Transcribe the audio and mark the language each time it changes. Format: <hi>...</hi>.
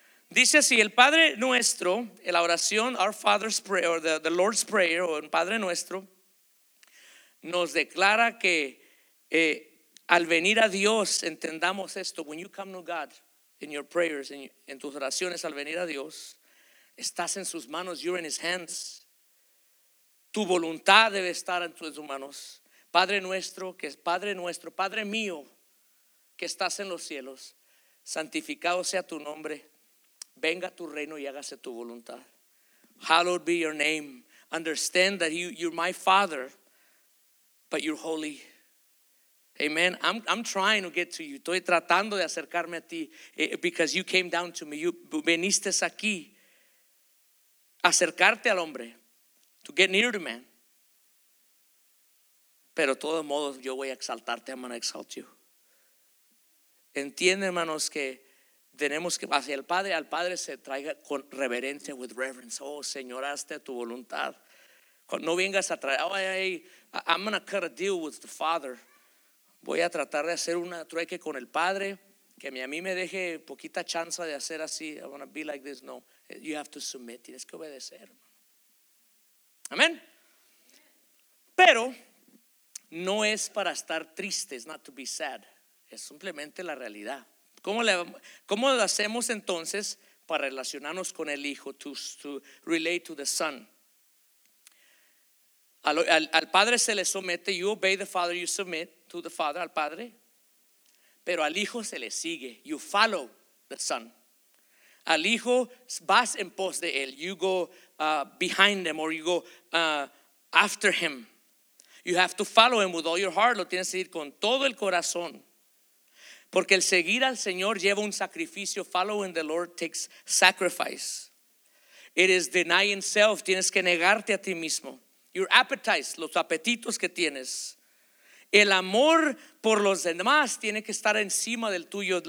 <es>Dice así: el Padre nuestro, en la oración,</es> <en>our Father's prayer, or the Lord's prayer,</en> <es>o el Padre nuestro, nos declara que al venir a Dios, entendamos esto:</es> <en>when you come to God, in your prayers,</en> <es>en tus oraciones al venir a Dios, estás en sus manos,</es> <en>you're in his hands.</en> <es>Tu voluntad debe estar en tus manos. Padre nuestro, que es Padre nuestro, Padre mío, que estás en los cielos, santificado sea tu nombre, venga a tu reino y hágase tu voluntad.</es> <en>Hallowed be your name. Understand that you're my Father, but you're holy. Amen. I'm trying to get to you.</en> <es>Estoy tratando de acercarme a ti,</es> <en>because you came down to me. You</en> <es>veniste aquí. acercarte al hombre,</es> <en>to get near to man.</en> <es>Pero de todos modos yo voy a exaltarte,</es> <en>I'm going to exalt you.</en> <es>Entiende, hermanos, que tenemos que hacia el Padre, al Padre se traiga con reverencia,</es> <en>with reverence.</en> <es>Oh, Señor, hazte tu voluntad. No vengas a traer,</es> <en>oh, hey, I'm going to cut a deal with the Father.</en> <es>Voy a tratar de hacer una trueque con el Padre, que a mí me deje poquita chance de hacer así.</es> <en>I want to be like this. No, you have to submit.</en> <es>Tienes que obedecer.</es> <en>Amén.</en> <es>Pero no es para estar triste.</es> <en>It's not to be sad.</en> <es>Es simplemente la realidad. ¿Cómo lo hacemos entonces para relacionarnos con el Hijo?</es> <en>To relate to the Son.</en> <es>Al Padre se le somete.</es> <en>You obey the Father, you submit to the Father,</en> <es>al Padre. Pero al Hijo se le sigue.</es> <en>You follow the Son.</en> <es>Al Hijo vas en pos de él.</es> <en>You go behind him, or you go after him. You have to follow him with all your heart.</en> <es>Lo tienes que ir con todo el corazón. Porque el seguir al Señor lleva un sacrificio.</es> <en>Following the Lord takes sacrifice. It is denying self.</en> <es>Tienes que negarte a ti mismo.</es> <en>Your appetites,</en> <es>los apetitos que tienes. El amor por los demás tiene que estar encima del tuyo.</es>